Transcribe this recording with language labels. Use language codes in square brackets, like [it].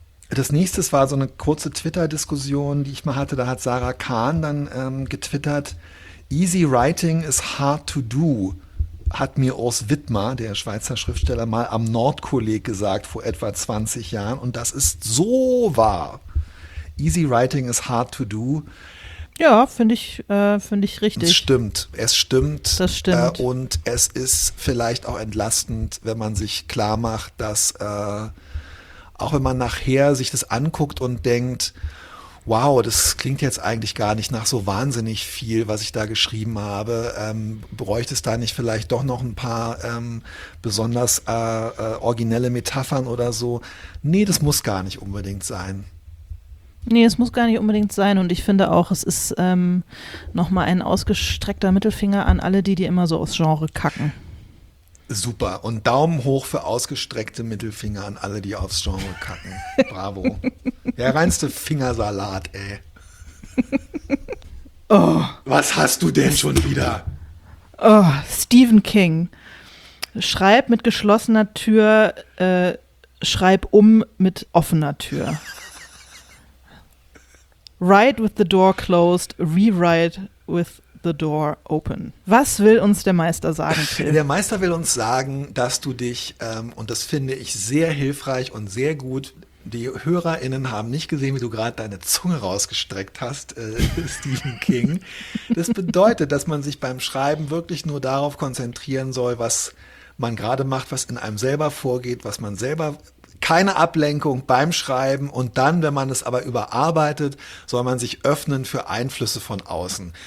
[de] Das nächste war so eine kurze Twitter-Diskussion, die ich mal hatte. Da hat Sarah Kahn dann getwittert: [en] Easy writing is hard to do, [de] hat mir Urs Widmer, der Schweizer Schriftsteller, mal am Nordkolleg gesagt vor etwa 20 Jahren. Und das ist so wahr. [en] Easy writing is hard to do. [de] Ja, finde ich richtig. Es stimmt. Das stimmt. Und es ist vielleicht auch entlastend, wenn man sich klar macht, dass auch wenn man nachher sich das anguckt und denkt, wow, das klingt jetzt eigentlich gar nicht nach so wahnsinnig viel, was ich da geschrieben habe. Bräuchte es da nicht vielleicht doch noch ein paar besonders originelle Metaphern oder so? Nee, das muss gar nicht unbedingt sein. Nee, es muss gar nicht unbedingt sein. Und ich finde auch, es ist nochmal ein ausgestreckter Mittelfinger an alle, die immer so aufs Genre kacken. Super. Und Daumen hoch für ausgestreckte Mittelfinger an alle, die aufs Genre kacken. Bravo. Der reinste Fingersalat, ey. Oh. Was hast du denn schon wieder? Oh, Stephen King. Schreib mit geschlossener Tür, schreib um mit offener Tür. [en] Write with the door closed, rewrite with the door open. [de] Was will uns der Meister sagen, Phil? Der Meister will uns sagen, dass du dich, und das finde ich sehr hilfreich und sehr gut, die HörerInnen haben nicht gesehen, wie du gerade deine Zunge rausgestreckt hast, Stephen King. Das bedeutet, dass man sich beim Schreiben wirklich nur darauf konzentrieren soll, was man gerade macht, was in einem selber vorgeht, was man selber, keine Ablenkung beim Schreiben, und dann, wenn man es aber überarbeitet, soll man sich öffnen für Einflüsse von außen.